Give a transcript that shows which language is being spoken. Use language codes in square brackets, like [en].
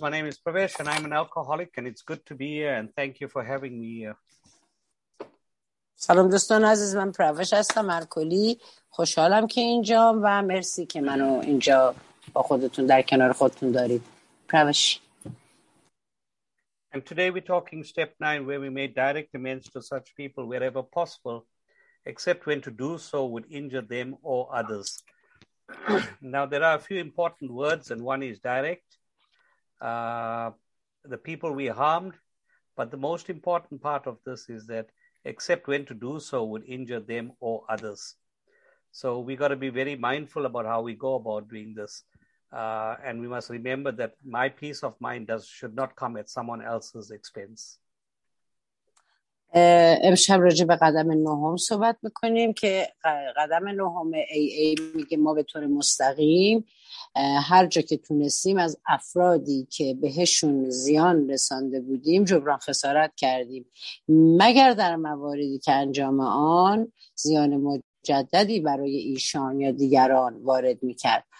[en] My name is Pravesh and I'm an alcoholic and it's good to be here and thank you for having me here. [fa] سلام دوستان عزیز، من پروش هستم، الکلی. خوشحالم که اینجام و مرسی که منو اینجا با خودتون در کنار خودتون دارید. پروش. [en] And today we're talking step 9 where we may direct amends to such people wherever possible except when to do so would injure them or others. Now there are a few important words and one is direct. The people we harmed, but the most important part of this is that except when to do so would injure them or others. So we got to be very mindful about how we go about doing this. And we must remember that my peace of mind should not come at someone else's expense. [fa] امشب راجع به قدم نهم صحبت میکنیم که قدم نهم AA میگه ما به طور مستقیم هر جا که تونستیم از افرادی که بهشون زیان رسانده بودیم جبران خسارت کردیم، مگر در مواردی که انجام آن زیان مجددی برای ایشان یا دیگران وارد میکرد.